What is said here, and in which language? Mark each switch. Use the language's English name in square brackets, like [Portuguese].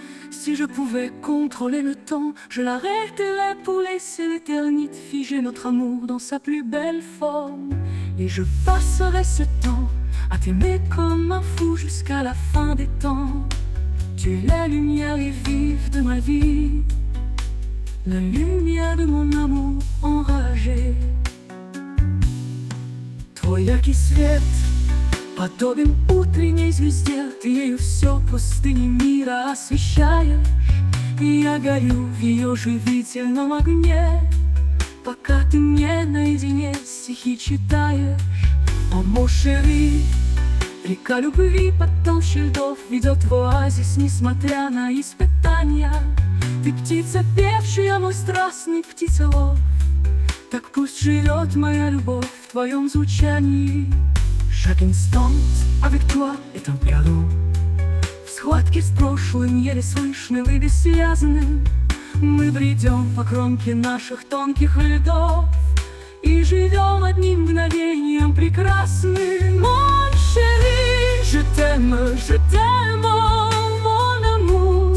[French] Si je pouvais contrôler le temps, je l'arrêterais pour laisser l'éternité figer notre amour dans sa plus belle forme. Et je passerais ce temps à t'aimer comme un fou jusqu'à la fin des temps. Tu es la lumière et vive de ma vie, la lumière de mon amour enragé. [Russian] Твой яркий свет подобен утренней звезде. Ты ею все пустыни мира освещаешь, и я горю в ее живительном огне, пока ты мне наедине стихи читаешь. О, мон шери, река любви под толщей льдов ведет в оазис, несмотря на испытания. Ты птица певчая, мой страстный птицелов. Так пусть живет моя любовь в твоем звучании. [French] Chaque instant avec toi est un cadeau. [Russian] В схватке с прошлым, еле слышным и бессвязным, мы бредем по кромке наших тонких льдов и живем одним мгновением прекрасным. [French] Mon chéri, je t'aime, je t'aime, mon amour.